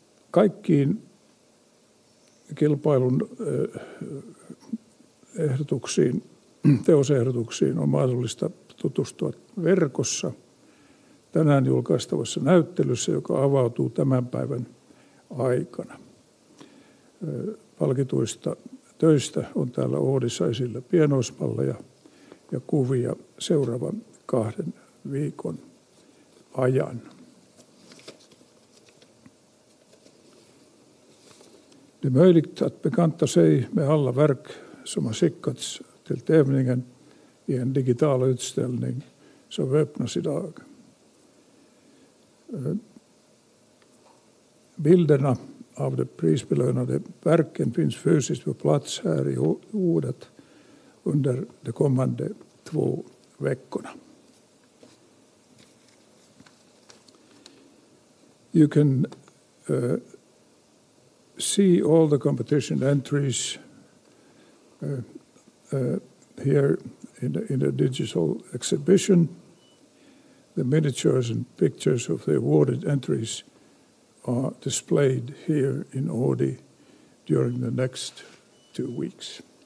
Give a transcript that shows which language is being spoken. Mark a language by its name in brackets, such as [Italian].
[Finnish] Kaikkiin kilpailun ehdotuksiin, teosehdotuksiin on mahdollista tutustua verkossa tänään julkaistavassa näyttelyssä, joka avautuu tämän päivän aikana. palkituista töistä on täällä Oodissa esillä pienoismalleja ja kuvia seuraavan kahden viikon ajan. [Swedish] Det möjligt att bekanta sig med alla verk som har skickats till tävlingen i en digital utställning som öppnas idag. Bilderna av de prisbelönade verken finns fysiskt på plats här i Odet under de kommande 2 veckorna. [English] You can see all the competition entries here in the digital exhibition. The miniatures and pictures of the awarded entries are displayed here in Oodi during the next 2 weeks.